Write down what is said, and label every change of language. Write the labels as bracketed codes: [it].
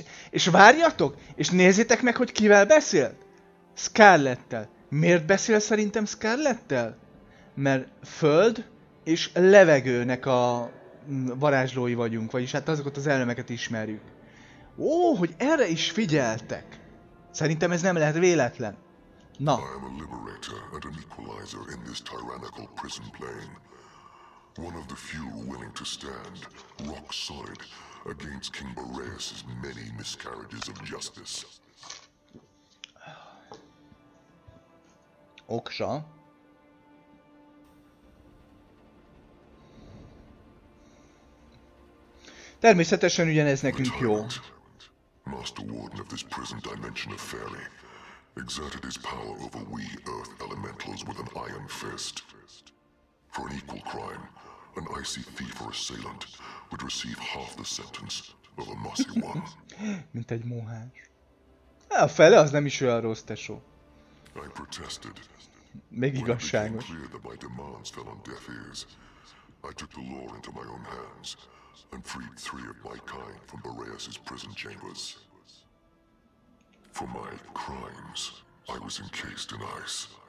[hu] És várjatok? És nézzétek meg, hogy kivel beszél? Scarlett-tel. Miért beszél szerintem Scarlett-tel? Mert föld és levegőnek a varázslói vagyunk, vagyis hát azokat az elemeket ismerjük. Ó, hogy erre is figyeltek. Szerintem ez nem lehet véletlen. Na. [en] I am a liberator and an equalizer in this tyrannical prison plane. One of the few willing to stand rock solid against King Boreas' many miscarriages of justice. [hu] Oksa. Természetesen ugyanez nekünk jó. [en] Master Warden of this prison dimension of Fairy exerted his power over we Earth Elementals with an iron fist. For an equal crime, an icy thief or assailant would receive half the sentence of a mossy one. [hu] Mint egy mohás. A fele az nem is olyan rossz, tesó. [en] I protested. [hu] Meg igazságos. [en] When I became clear that my demands fell on deaf ears, I took the law into my own hands. And freed three of my kind from Boreas's prison chambers. For my crimes, I was encased in ice.